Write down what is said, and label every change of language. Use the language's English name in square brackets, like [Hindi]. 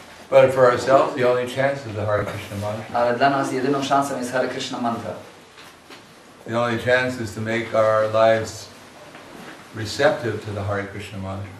[English] But for ourselves, the only chance is the Hare Krishna mantra. [Polish] Ale dla nas jedyną szansą jest Hare Krishna mantra. [English] The only chance is to make our lives receptive to the Hare Krishna mantra.